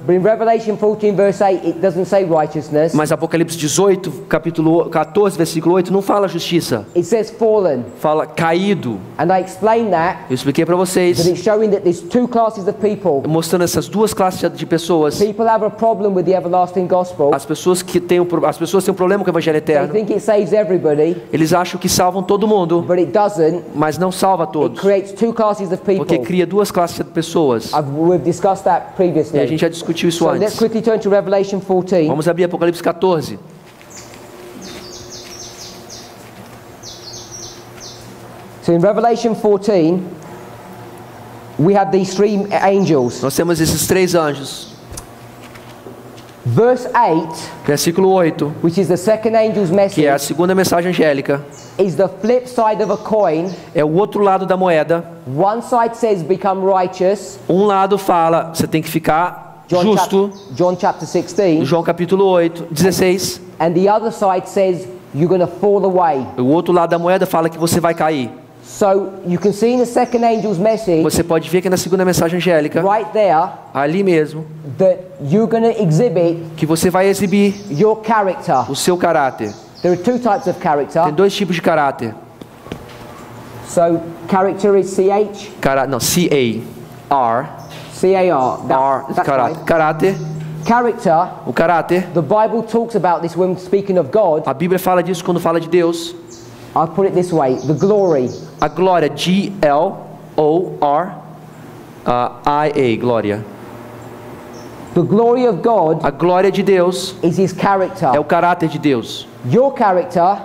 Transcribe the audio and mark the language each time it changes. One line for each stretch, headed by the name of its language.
English: But in Revelation 14 verse 8 it doesn't say righteousness.
Portuguese: Mas Apocalipse 18 capítulo 14 versículo 8 não fala justiça.
English: It says fallen.
Portuguese: Fala caído.
English: And I explained that.
Portuguese: Eu expliquei para vocês.
English: But it's showing that there's two classes of people.
Portuguese: Mostrando essas duas classes de pessoas.
English: People have a problem with the everlasting gospel.
Portuguese: As pessoas têm um problema com o evangelho eterno.
English: They think it saves everybody.
Portuguese: Eles acham que salvam todo mundo.
English: But it doesn't.
Portuguese: Mas não salva todos.
English: It creates two classes of people.
Portuguese: Porque cria duas classes de pessoas.
English: We've discussed that previously.
Portuguese: E a gente já discutiu isso
English: so
Portuguese: antes.
English: Let's quickly turn to Revelation 14.
Portuguese: Vamos abrir Apocalipse 14.
English: So in Revelation 14, we have these three angels.
Portuguese: Nós temos esses três anjos.
English: Verse 8,
Portuguese: versículo 8,
English: which is the second angel's message,
Portuguese: que é a segunda mensagem angélica,
English: is the flip side of a coin.
Portuguese: É o outro lado da moeda.
English: One side says become righteous.
Portuguese: Um lado fala, você tem que ficar
English: John
Portuguese: justo.
English: John chapter 16.
Portuguese: João capítulo 8, 16.
English: And the other side says you're going to fall away.
Portuguese: O outro lado da moeda fala que você vai cair.
English: So you can see in the second angel's message.
Portuguese: Você pode ver que na segunda mensagem angélica.
English: Right there.
Portuguese: Ali mesmo.
English: That you're going to exhibit.
Portuguese: Que você vai exibir.
English: Your character.
Portuguese: O seu caráter.
English: There are two types of character.
Portuguese: Tem dois tipos de caráter.
English: So character is C-H. C-A-R. C-A-R.
Portuguese: R. Caráter. Caráter.
English: Character.
Portuguese: O caráter.
English: The Bible talks about this when speaking of God.
Portuguese: A Bíblia fala disso quando fala de Deus.
English: I'll put it this way, the glory.
Portuguese: A glória, G-L-O-R-I-A, glória.
English: The glory of God.
Portuguese: A glória de Deus.
English: Is his character.
Portuguese: É o caráter de Deus.
English: Your character.